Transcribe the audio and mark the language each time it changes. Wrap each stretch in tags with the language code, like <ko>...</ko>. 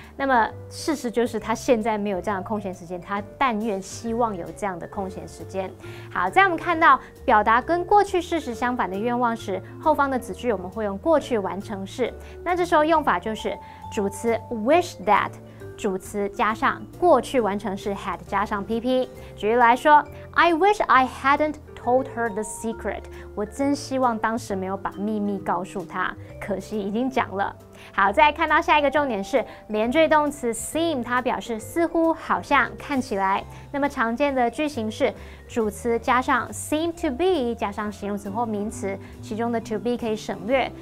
<zh>那么事实就是她现在没有这样的空闲时间，她但愿希望有这样的空闲时间。好，在我们看到表达跟过去事实相反的愿望时，后方的子句我们会用过去完成时。那这时候用法就是主词 wish that，主词加上过去完成式 had 加上 PP。</zh> <en>举例来说 ，I wish I hadn't told her the secret。</en> <zh>我真希望当时没有把秘密告诉她，可惜已经讲了。好，再看到下一个重点是连缀动词 seem， 它表示似乎、好像、看起来。那么常见的句型是主词加上</zh> <en>seem to be，</en> <zh>加上形容词或名词，其中的 to be 可以省略。</zh>